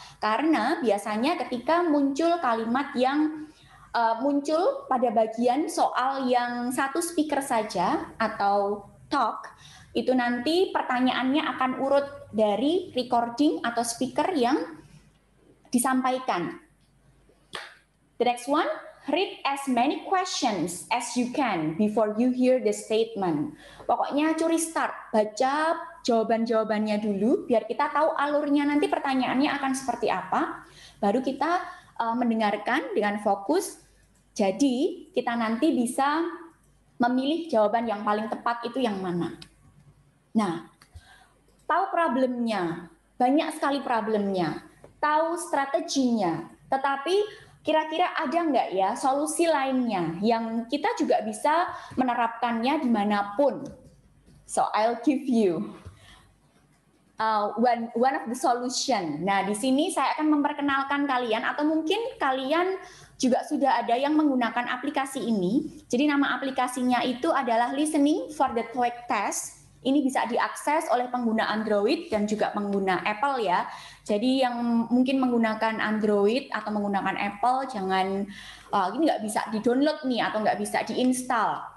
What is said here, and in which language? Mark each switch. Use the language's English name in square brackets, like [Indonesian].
[Indonesian] Karena biasanya ketika muncul kalimat yang muncul pada bagian soal yang satu speaker saja atau talk, itu nanti pertanyaannya akan urut dari recording atau speaker yang disampaikan. [English] The next one, read as many questions as you can before you hear the statement. [Indonesian] Pokoknya curi start, baca jawaban-jawabannya dulu biar kita tahu alurnya nanti pertanyaannya akan seperti apa. Baru kita mendengarkan dengan fokus. Jadi kita nanti bisa memilih jawaban yang paling tepat itu yang mana. Nah, tahu problemnya, banyak sekali problemnya, tahu strateginya, tetapi kira-kira ada nggak ya solusi lainnya yang kita juga bisa menerapkannya dimanapun. [English] So I'll give you one of the solution. [Indonesian] Nah, di sini saya akan memperkenalkan kalian, atau mungkin kalian juga sudah ada yang menggunakan aplikasi ini. Jadi nama aplikasinya itu adalah Listening for the TOEIC Test. Ini bisa diakses oleh pengguna Android dan juga pengguna Apple ya. Jadi yang mungkin menggunakan Android atau menggunakan Apple, jangan ini nggak bisa di-download nih atau nggak bisa di-install.